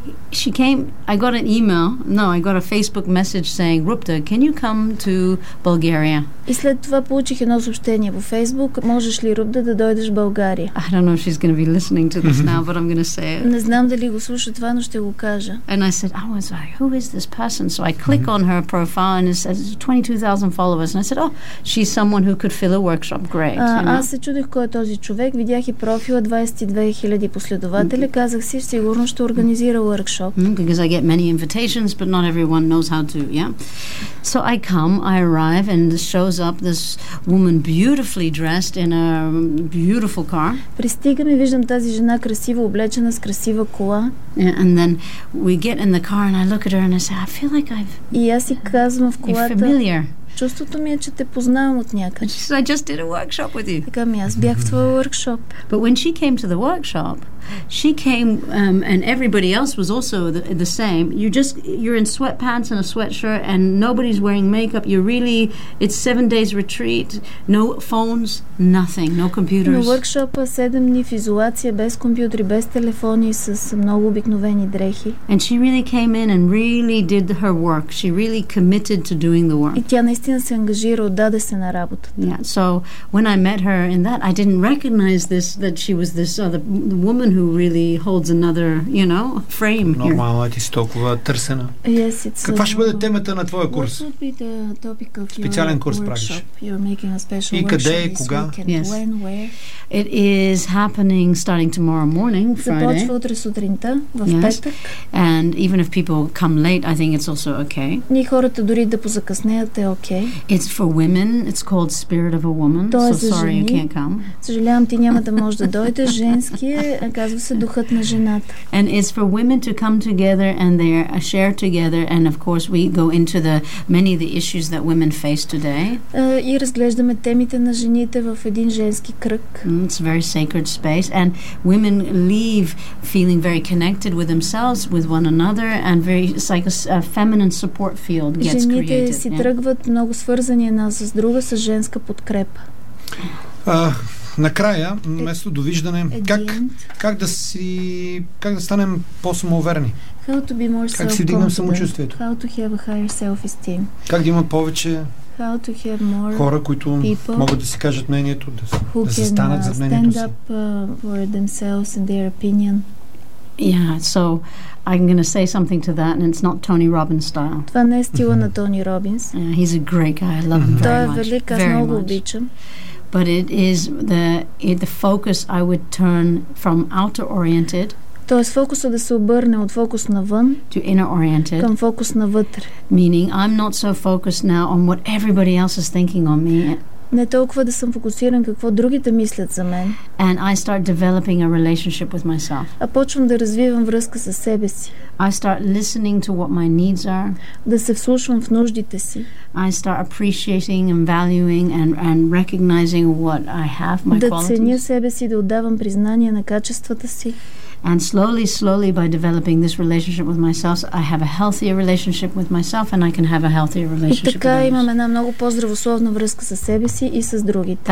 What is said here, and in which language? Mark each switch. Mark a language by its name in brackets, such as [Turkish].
[English] she came, I got an email, no, I got a Facebook message saying, Rupta, can you come to Bulgaria? [Bulgarian] И след това получих едно съобщение по Facebook, можеш ли, Рупта, да дойдеш в България? [English] I don't know if she's going to be listening to this now, but I'm going to say it. [Bulgarian] Не знам дали го слуша това, но ще го кажа. [English] And I said, I was like, who is this person? So I click on her profile and it says 22,000 followers. And I said, oh, she's someone who could fill a workshop, great. [Bulgarian] Аз се чудих кой е този човек, видях и профила 22,000 последователи, казах си, сигурно ще организира workshop. [English] Because I get many invitations, but not everyone knows how to, yeah. So I come, I arrive, and shows up this woman beautifully dressed in a beautiful car. [Bulgarian] Пристигам и виждам тази жена красиво облечена с красива кола. [English] And then we get in the car, and I look at her, and I say, I feel like I've... [Bulgarian] И аз си казвам в колата... [English] Familiar. [Bulgarian] Чувството ми е, че те познавам от някъде. [English] I just did a workshop with you. [Bulgarian] Така ми, аз бях в твой workshop. [English] But when she came to the workshop, she came and everybody else was also the same. You're in sweatpants and a sweatshirt and nobody's wearing makeup. You're really, it's 7 days retreat. No phones, nothing, no computers. [Bulgarian] На workshop-а 7 дни в изолация, без компютри, без телефони, с много обикновени дрехи. [English] And she really came in and really did her work. She really committed to doing the work. [Bulgarian] И тя наистина се ангажира, отдаде се на работата. [English] Yeah, so when I met her in that, I didn't recognize this, that she was this other woman who really holds another, you know, frame. [Bulgarian] Нормално, ти си толкова търсена. [English] Yes, it's [Bulgarian] каква ще бъде темата на твоя курс? [English] What would be the topic of your [Bulgarian] специален курс [English] workshop? [Bulgarian] Правиш. [English] You're making a special [Bulgarian] и къде [English] workshop [Bulgarian] и кога? [English] Yes. When, where? It is happening starting tomorrow morning, Friday. [Bulgarian] Започва утре сутринта, в петък. [English] And even if people come late, I think it's also okay. [Bulgarian] Ни хората дори да позакъснеят е okay. [English] It's for women. It's called Spirit of a Woman. [Bulgarian] То е [English] so sorry [Bulgarian] жени. [English] You can't come. [Bulgarian] Съжалявам, ти няма да можеш да дойдеш. Женски е, казва се, духът на жената. [English] And it's for women to come together and they share together and of course we go into the many of the issues that women face today. [Bulgarian] И разглеждаме темите на жените в един женски кръг. [English] It's a very sacred space and women leave feeling very connected with themselves, with one another and very, it's like a feminine support field gets [Bulgarian] жените [English] created. [Bulgarian] Жените си тръгват много свързани една с друга, с женска подкрепа. Накрая, вместо довиждане, как да станем по-самоуверени? [English] How to be more [Bulgarian] как си вдигнем самочувствието? [English] How to have a higher self-esteem? [Bulgarian] Как да има повече [English] how to have more [Bulgarian] хора, които могат да си кажат мнението, да се станат зад мнението [English] stand up, for themselves and their opinion? Yeah, so I'm going to say something to that, and it's not Tony Robbins style. [Bulgarian] Това не е стила на Тони Робинс. [English] He's a great guy. I love him very much. [Bulgarian] Той е велик, аз много обичам. [English] But it is the focus I would turn from outer oriented. [Bulgarian] Тоест фокусът да се обърне от фокус навън [English] to inner oriented. [Bulgarian] Към фокус навътре. [English] Meaning I'm not so focused now on what everybody else is thinking on me. [Bulgarian] Не толкова да съм фокусиран какво другите мислят за мен. [English] And I start developing a relationship with myself. [Bulgarian] А почвам да развивам връзка със себе си. [English] I start listening to what my needs are. [Bulgarian] Да се вслушвам в нуждите си. [English] I start appreciating and valuing and recognizing what I have, my qualities. [Bulgarian] Да ценя себе си, да отдавам признание на качествата си. And slowly, slowly, by developing this relationship with myself, I have a healthier relationship with myself and I can have a healthier relationship with others. И така имам една много по-здравословна връзка с себе си и с другите.